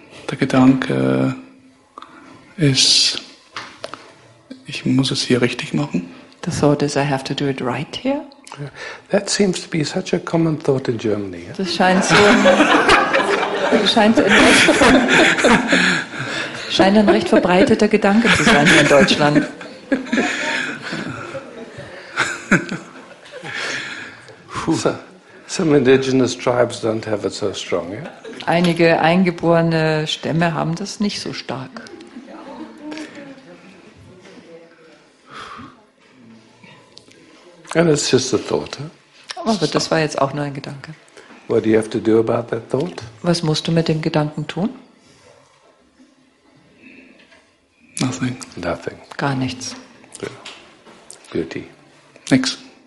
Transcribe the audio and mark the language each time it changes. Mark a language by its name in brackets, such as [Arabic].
[German] Der Gedanke ist, ich muss es hier richtig machen. [English] The thought is, I have to do it right here. That seems to be such a common thought in Germany. Yeah? [German] Das scheint so. scheint ein recht verbreiteter Gedanke zu sein hier in Deutschland. [English] Some indigenous tribes don't have it so strong, yeah? [German] Einige eingeborene Stämme haben das nicht so stark. [English] And it's just a thought, huh? [German] Aber das war jetzt auch nur ein Gedanke. [English] What do you have to do about that thought? [German] Was musst du mit dem Gedanken tun? [English] Nothing. Nothing. [German] Gar nichts. [English] Beauty. [German] Nix.